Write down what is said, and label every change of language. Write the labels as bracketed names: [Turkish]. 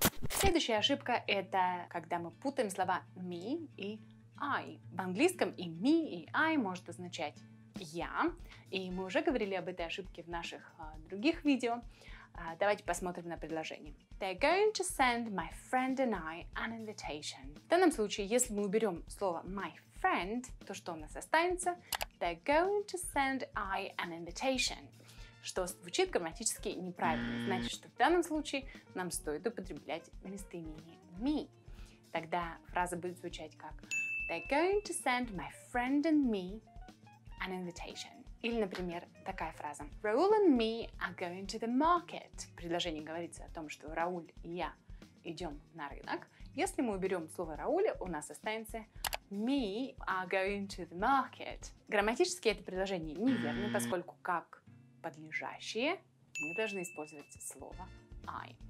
[Russian] Следующая ошибка – это когда мы путаем слова me и I. В английском и me, и I может означать я, и мы уже говорили об этой ошибке в наших других видео. Давайте посмотрим на предложение. [English] They're going to send my friend and I an invitation. [Russian] В данном случае, если мы уберем слово [English] my [Russian] friend, то что у нас останется? [English] They're going to send I an invitation. [Russian] Что звучит грамматически неправильно. Значит, что в данном случае нам стоит употреблять местоимение me. Тогда фраза будет звучать как [English] They're going to send my friend and me an invitation. [Russian] Или, например, такая фраза. [English] Raul and me are going to the market. [Russian] В предложении говорится о том, что Рауль и я идем на рынок. Если мы уберем слово Рауля, у нас останется [English] me are going to the market. [Russian] Грамматически это предложение неверно, поскольку как подлежащее мы должны использовать слово I.